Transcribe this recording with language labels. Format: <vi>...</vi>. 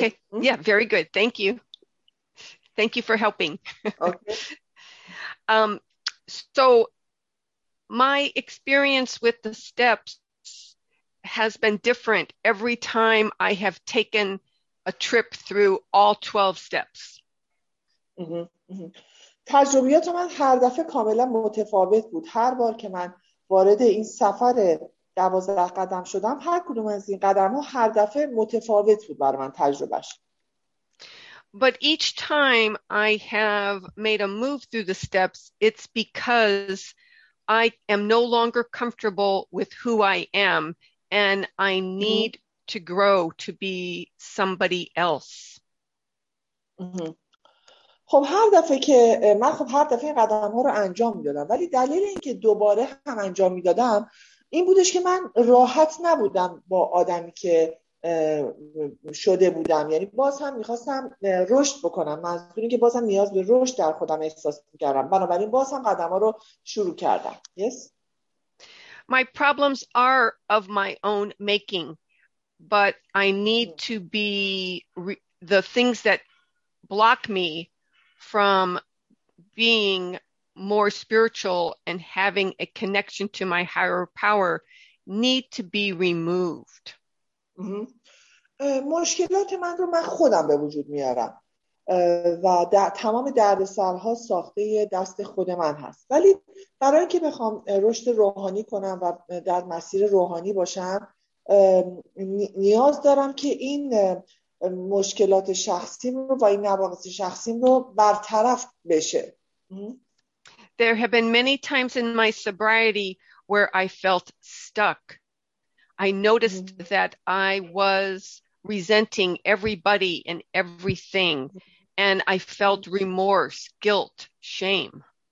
<en>Okay. Yeah, very good. Thank you. Thank you for helping. Okay. So my experience with the steps has been different every time I have taken a trip through all 12 steps.</en> <fa>تجربیات من هر دفعه کاملا متفاوت بود. هر بار که من وارد این سفر 12 قدم شدم، هر کدوم از این قدم‌ها هر دفعه متفاوت بود برای من تجربه‌اش.</fa> <en>But each time I have made a move through the steps, it's because I am no longer comfortable with who I am and I need to grow to be somebody else.</en> <fa>خب هر دفعه که من خب هر دفعه قدم‌ها رو انجام می‌دادم، ولی دلیل اینکه دوباره هم انجام می‌دادم این بودش که من راحت نبودم با آدمی که شده بودم، یعنی باز هم میخواستم رشد بکنم، منظور این که باز هم نیاز به رشد در خودم احساس میکردم، بنابراین باز هم قدم ها رو شروع کردم.</fa> <en>Yes? My problems are of my own making, but I need to be the things that block me from being more spiritual and having a connection to my higher power need to be removed.</en> <fa>مشکلات من رو من خودم به وجود میارم و در تمام دردسرها ساخته دست خود من هست، ولی برای اینکه بخوام رشد روحانی کنم و در مسیر روحانی باشم نیاز دارم که این مشکلات شخصیم رو و این نواقص شخصیم رو برطرف بشه.</fa> <en>There have been many times in my sobriety where I felt stuck. I noticed that I was resenting everybody and everything, and I felt remorse, guilt, shame.</en>